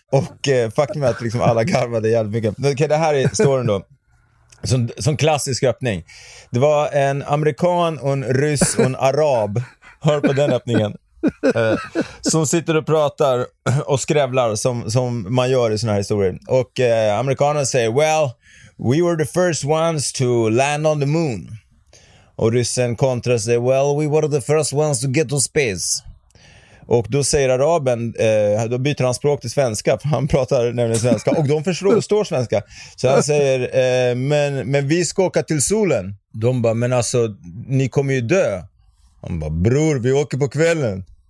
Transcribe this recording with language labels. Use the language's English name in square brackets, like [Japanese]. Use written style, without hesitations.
[Swedish] Och faktum är att liksom alla garvade jävligt mycket. Okej, det här är storyn då. Som klassisk öppning. Det var en amerikan och en ryss och en arab. Hör på den öppningen. Som sitter och pratar och skrävlar som man gör i såna här historier. Och amerikanen säger: [English] "Well, we were the first ones to land on the moon." [Swedish] Och ryssen kontrar sig: [English] "Well, we were the first ones to get to space." [Swedish] Och då säger araben, då byter han språk till svenska, för han pratar nämligen svenska. Och de förstår svenska. Så han säger, men vi ska åka till solen. De bara, men alltså, ni kommer ju dö. Han bara, bror, vi åker på kvällen.